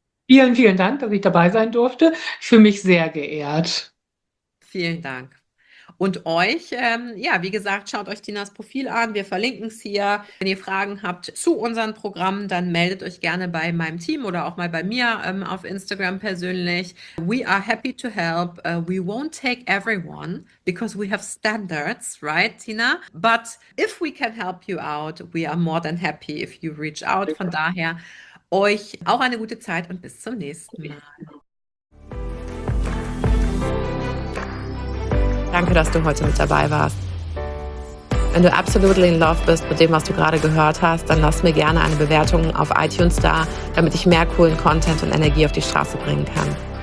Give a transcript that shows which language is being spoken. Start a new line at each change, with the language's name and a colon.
German: Vielen, vielen Dank, dass ich dabei sein durfte. Ich fühle mich sehr geehrt. Vielen Dank. Und euch, ja, wie gesagt, schaut euch Tinas Profil an. Wir verlinken es hier. Wenn ihr Fragen habt zu unseren Programmen, dann meldet euch gerne bei meinem Team oder auch mal bei mir auf Instagram persönlich.
English: We are happy to help. We won't take everyone because we have standards, right, Tina? But if we can help you out, we are more than happy if you reach out.
German: Von daher euch auch eine gute Zeit und bis zum nächsten Mal. Danke, dass du heute mit dabei warst. Wenn du absolut in love bist mit dem, was du gerade gehört hast, dann lass mir gerne eine Bewertung auf iTunes da, damit ich mehr coolen Content und Energie auf die Straße bringen kann.